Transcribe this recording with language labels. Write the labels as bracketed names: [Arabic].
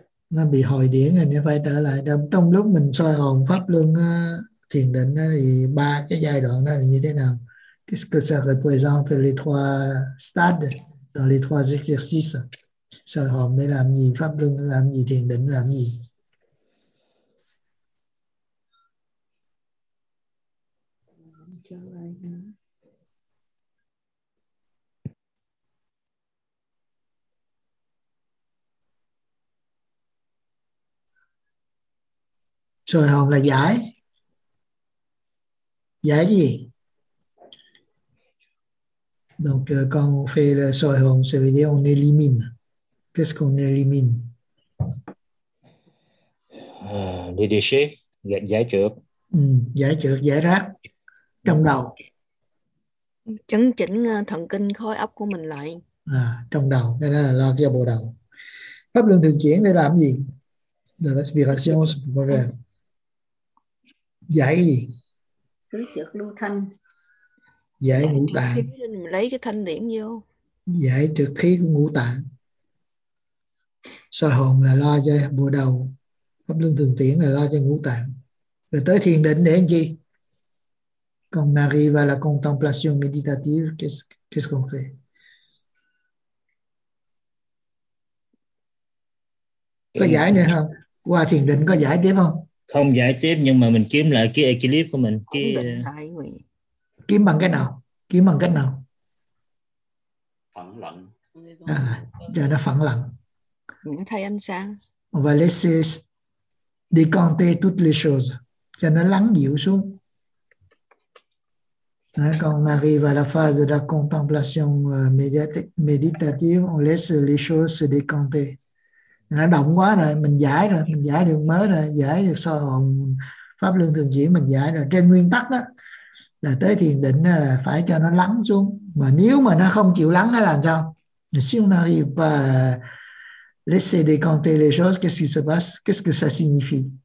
[Vietnamese] Nó bị hồi điển rồi, nó phải trở lại. Trong lúc mình soi hồn pháp luân thiền định thì ba cái giai đoạn đó là như thế nào? [French] Qu'est-ce que ça représente les trois stades dans les trois exercices? [Vietnamese] Soi hồn để làm gì, pháp luân làm gì, thiền định làm gì? Soi hồn là giải. Giải cái gì? [French] Donc quand on fait le soi hồn, ça veut dire on élimine. Qu'est-ce qu'on élimine? Les déchets, [Vietnamese] giải trược. Giải trược, giải rác trong đầu. Chấn chỉnh thần kinh khối óc của mình lại. Trong đầu, cái đó là lo cho bộ đầu. Pháp luân thường chuyển để làm gì? [French] La respiration, c'est pour faire. [Vietnamese] Giải gì? Khứ trược lưu thanh. Giải ngũ tạng. Lấy cái thanh điển vô. Giải trược khí của ngũ tạng. Soi hồn là lo cho bộ đầu. Pháp luân thường tiễn là lo cho ngũ tạng. Rồi tới thiền định để làm gì? [French] Quand on arrive à la contemplation méditative, qu'est-ce qu'on fait? [Vietnamese] Có giải nữa không? Qua thiền định có giải tiếp không? Không giải tiếp, nhưng mà mình kiếm lại cái equilibrium của mình. Cái... kiếm bằng cái nào? Kiếm bằng cách nào? Phẳng lặng. Giờ nó phẳng lặng. Mình thấy ánh sáng. [French] On va laisser décanter toutes les choses. [Vietnamese] Cho nó lắng dịu xuống. [French] Quand on arrive à la phase de la contemplation méditative, on laisse les choses se décanter. [Vietnamese] Nó động quá rồi, mình giải được mới rồi, giải được soi hồn pháp luân thường chuyển mình giải rồi. Trên nguyên tắc đó, là tới thiền định là phải cho nó lắng xuống. Mà nếu mà nó không chịu lắng là làm sao? [French] Si on n'arrive pas à laisser décanter les choses, qu'est-ce qui se passe? Qu'est-ce que ça signifie?